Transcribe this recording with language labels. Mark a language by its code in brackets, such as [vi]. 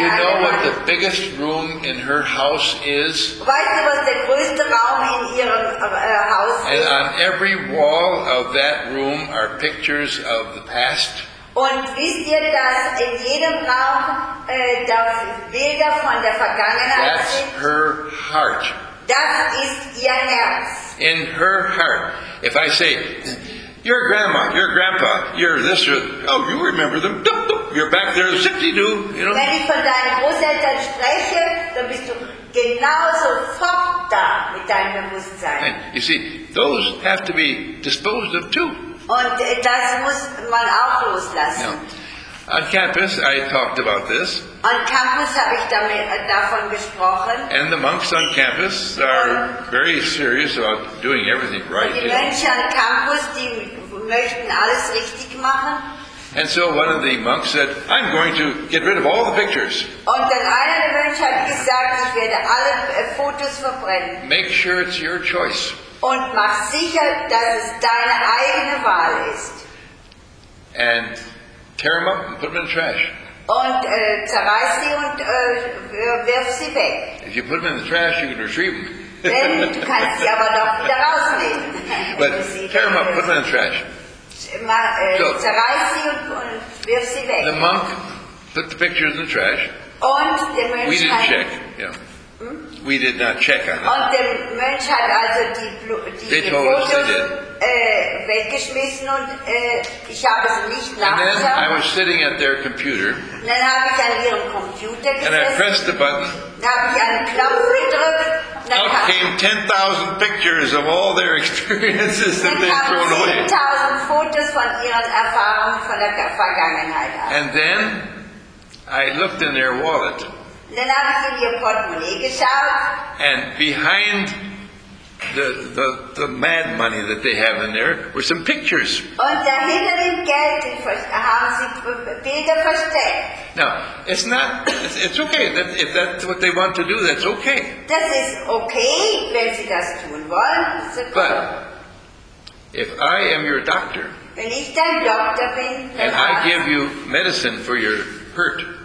[en] You know what the biggest room in her house is? [de] Weißt du, was der größte Raum in ihrem Haus ist? [en] And on every wall of that room are pictures of the past. [de] Und wisst ihr, dass in jedem Raum der Bilder von der Vergangenheit sind? [en] That's her heart. [de] Das ist ihr Herz. [en] In her heart. If I say, your grandma, your grandpa, your this, your, oh, you remember them, dup, dup, you're back there, zippity-doo, you know. [de] Wenn ich von deinen Großeltern spreche, dann bist du genauso fort da mit deinem Bewusstsein. [en] And you see, those have to be disposed of too. [de] Und das muss man auch loslassen. [en] Now, on campus, I talked about this. On campus [de] habe ich davon gesprochen. [en] And the monks on campus are very serious about doing everything right. [de] Die Menschen [en] on campus, [de] die möchten alles richtig machen. [en] And so one of the monks said, I'm going to get rid of all the pictures. [de] Und einer der Mönche hat gesagt, ich werde alle Fotos verbrennen. [en] Make sure it's your choice. [de] Und mach sicher, dass es deine eigene Wahl ist. [en] And tear them up and put them in the trash. [de] Und zerreiß sie und wirf sie weg. [en] If you put them in the trash, you can retrieve them. [de] Wenn, du kannst sie aber doch wieder rausnehmen. [en] But tear them up, put them in the trash. [de] Zerreiß sie und wirf sie weg. [en] The monk put the pictures in the trash. [de] Und der Mönch [en] we didn't check. Yeah. We did not check on that. [de] Und der Mönch hat also die Fotos weggeschmissen und ich habe es nicht nachgeschaut. [en] And then I was sitting at their computer. [de] Dann habe ich an ihrem Computer gesessen. [en] And I pressed the button. [de] Dann habe ich einen Knopf gedrückt. [en] Out came 10,000 pictures of all their experiences that they've thrown away. [de] 10,000 Fotos von ihren Erfahrungen von der Vergangenheit. [en] And then I looked in their wallet. [de] Dann habe ich in ihr Portemonnaie geschaut. [en] And behind the mad money that they have in there were some pictures. [de] Und dahinter dem Geld haben sie Bilder versteckt. [en] Now, it's not, it's okay. That, if that's what they want to do, that's okay. [de] Das ist okay, wenn sie das tun wollen. Das ist okay. [en] But if I am your doctor, [de] wenn ich dein Doktor bin, dann [en] and I give you medicine for your hurt,